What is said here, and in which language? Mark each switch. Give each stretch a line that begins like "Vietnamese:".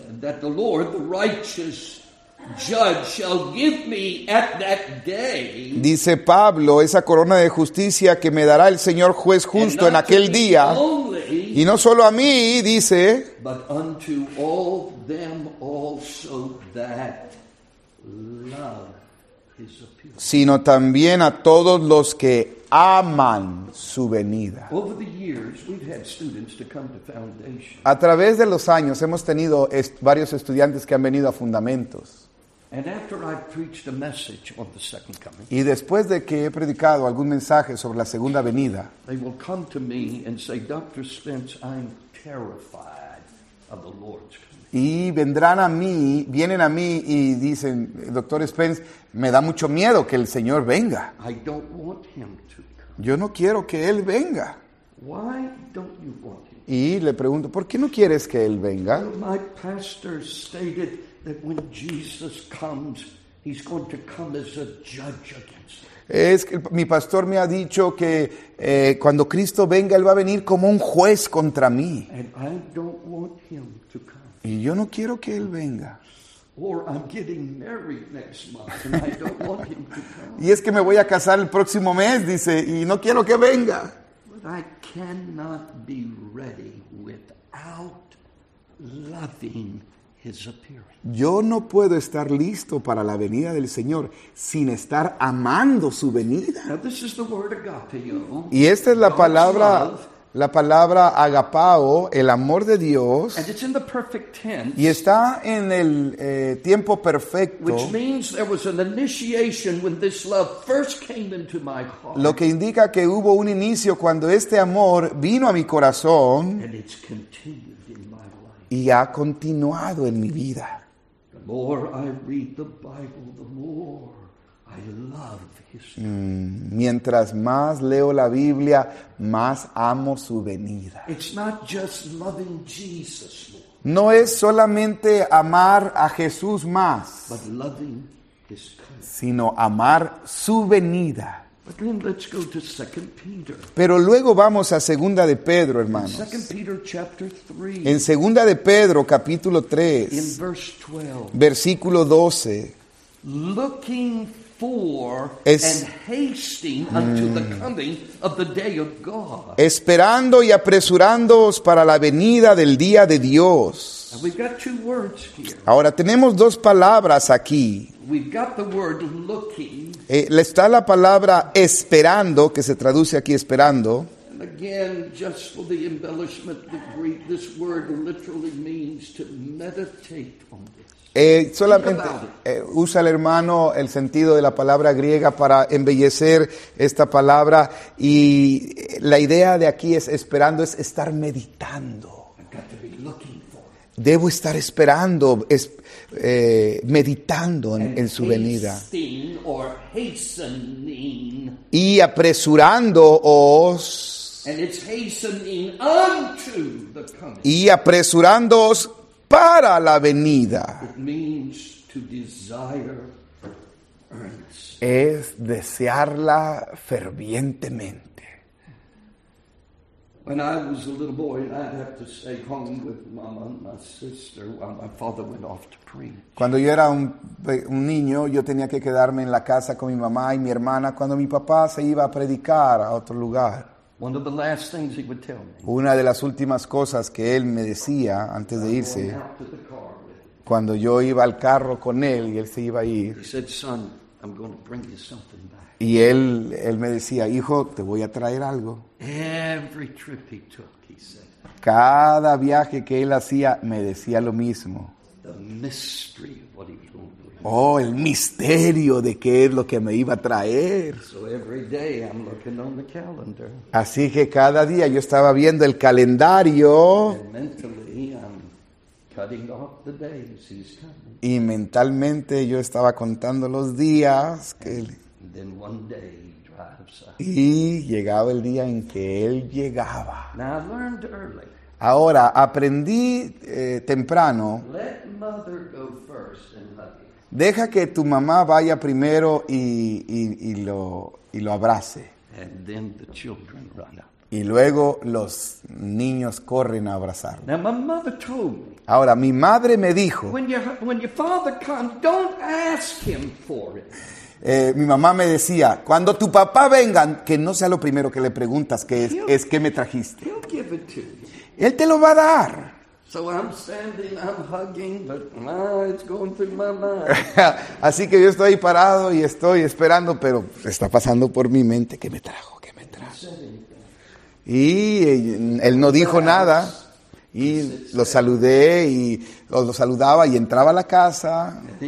English: That the Lord, the righteous judge, shall give me at that day.
Spanish: Dice Pablo, esa corona de justicia que me dará el Señor juez justo en aquel día.
English: Only,
Spanish: y no solo a mí, dice.
English: But unto all them also that love his appearance.
Spanish: Sino también a todos los que aman su venida.
English: Over the years, we've had students to come to Foundation.
Spanish: A través de los años hemos tenido varios estudiantes que han venido a Fundamentos.
English: And after I've preached a message on the second coming,
Spanish: y después de que he predicado algún mensaje sobre la segunda venida,
English: they will come to me and say, Dr. Spence, I'm terrified of the Lord's coming.
Spanish: Y vendrán a mí, vienen a mí y dicen, Dr. Spence, me da mucho miedo que el Señor venga.
English: I don't want him to come.
Spanish: Yo no quiero que Él venga.
English: Why don't you want him?
Spanish: Y le pregunto, ¿por qué no quieres que Él venga?
English: Well, my pastor stated that when Jesus comes, he's going to come as a judge against him.
Spanish: Es que mi pastor me ha dicho que cuando Cristo venga, Él va a venir como un juez contra mí.
English: And I don't want him to come.
Spanish: Y yo no quiero que Él venga.
English: Or I'm getting married next month, and I don't want him to come.
Spanish: Y es que me voy a casar el próximo mes, dice, y no quiero que venga.
English: But I cannot be ready without loving His appearance.
Spanish: Yo no puedo estar listo para la venida del Señor sin estar amando su venida.
English: Now, this is the word agapeo.
Spanish: Y esta es la
English: God's
Spanish: palabra
English: love.
Spanish: La palabra agapao, el amor de Dios.
English: And it's in the perfect tense,
Spanish: y está en el tiempo perfecto.
English: Which means there was an initiation when this love first came into my heart.
Spanish: Lo que indica que hubo un inicio cuando este amor vino a mi corazón.
English: And it's continued.
Spanish: Y ha continuado en mi vida.
English: The more I read the Bible, the more I love His name.
Spanish: Mientras más leo la Biblia, más amo su venida.
English: It's not just loving Jesus more.
Spanish: No es solamente amar a Jesús más,
English: but loving His coming.
Spanish: Sino amar su venida.
English: But then let's go to 2 Peter.
Spanish: Pero luego vamos a 2 de Pedro, hermanos.
English: 2 Peter chapter 3.
Spanish: En 2 de Pedro, capítulo 3.
English: In verse 12.
Spanish: Versículo 12.
English: Looking for es, and hasting unto the coming of the day of God.
Spanish: Esperando y apresurándoos para la venida del día de Dios.
English: And we've got two words here.
Spanish: Ahora tenemos dos palabras aquí.
English: We've got the word looking.
Spanish: Está la palabra esperando, que se traduce aquí esperando.
English: And again, just for the embellishment, the Greek, this word literally means to meditate on this.
Spanish: Solamente usa el hermano el sentido de la palabra griega para embellecer esta palabra. Y la idea de aquí es esperando, es estar meditando.
English: I've got to be looking for.
Spanish: Debo estar esperando, meditando en su venida.
English: Or hastening.
Spanish: Y apresurándoos.
English: And it's hastening unto the coming.
Spanish: Y apresurándoos para la venida.
English: It means to desire earnest.
Spanish: Es desearla fervientemente.
English: When I was a little boy, I had to stay home with mama and my sister while my father went off to preach.
Spanish: Cuando yo era un niño, yo tenía que quedarme en la casa con mi mamá y mi hermana cuando mi papá se iba a predicar a otro lugar.
English: One of the last things he would tell me.
Spanish: Una de las últimas cosas que él me decía antes de irse, cuando yo iba al carro con él y él se iba a ir,
English: he said, "Son, I'm going to bring you something back."
Spanish: Y él me decía, "Hijo, te voy a traer algo."
English: Every trip he took, he said.
Spanish: Cada viaje que él hacía me decía lo mismo.
English: The mystery of what he was going to bring.
Spanish: Oh, el misterio de qué es lo que me iba a traer.
English: So every day I'm looking on the calendar.
Spanish: Así que cada día yo estaba viendo el calendario.
English: And mentally I'm cutting off the days he's coming.
Spanish: Y mentalmente yo estaba contando los días que él.
English: And then one day.
Spanish: Y llegaba el día en que él llegaba.
English: Now, I learned early.
Spanish: Ahora, aprendí temprano.
English: Let mother go first and hug him.
Spanish: Deja que tu mamá vaya primero y lo abrace.
English: And then the children run up.
Spanish: Y luego los niños corren a abrazarlo.
English: Now, my mother told me,
Spanish: ahora, mi madre me dijo.
English: When your father comes, don't ask him for it.
Spanish: Mi mamá me decía, cuando tu papá venga, que no sea lo primero que le preguntas, que es qué me trajiste.
English: He'll give it to you.
Spanish: Él te lo va a dar.
English: So I'm standing, I'm hugging, but it's going through my mind.
Spanish: Así que yo estoy parado y estoy esperando, pero está pasando por mi mente, qué me trajo, qué me trajo. Y él no dijo nada. Y lo saludé y lo saludaba y entraba a la casa.